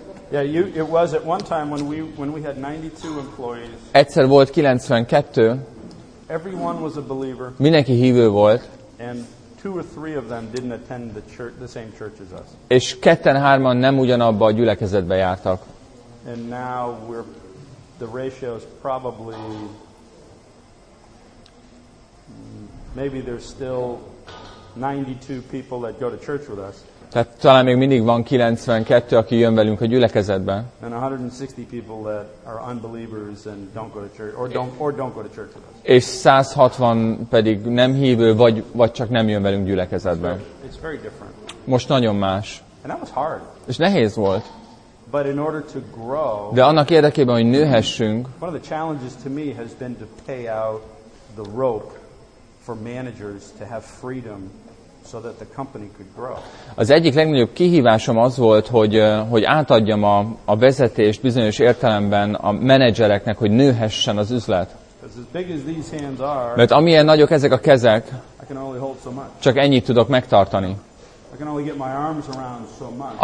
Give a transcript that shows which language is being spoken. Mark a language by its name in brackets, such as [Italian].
[English] Yeah, it was at one time when we had 92 employees. [Hungarian] Egyszer volt 92. [English] Everyone was a believer. [Hungarian] Mindenki hívő volt. [English] And two or three of them didn't attend the church, the same church as us. [Hungarian] És ketten-hárman nem ugyanabba a gyülekezetbe jártak. [English] And now we're the ratio is probably maybe there's still 92 people that go to church with us. [Hungarian] Tehát talán még mindig van 92, aki jön velünk a gyülekezetbe. [English] And 160 people that are unbelievers and don't go to church or don't go to church with us. [Hungarian] És 160 pedig nem hívő vagy csak nem jön velünk gyülekezetbe. [English] It's very different. [Hungarian] Most nagyon más. [English] And that was hard. [Hungarian] És nehéz volt. [English] But in order to grow. [Hungarian] De annak érdekében, hogy nőhessünk. [English] One of the challenges to me has been to pay out the rope for managers to have freedom so that the company could grow. [Hungarian] Az egyik legnagyobb kihívásom az volt, hogy átadjam a vezetést bizonyos értelemben a menedzsereknek, hogy nőhessen az üzlet. [English] As big as these hands are, [Hungarian] mert amilyen nagyok ezek a kezek, [English] I can only hold so much. [Hungarian] Csak ennyit tudok megtartani. [English] I can only get my arms around so much.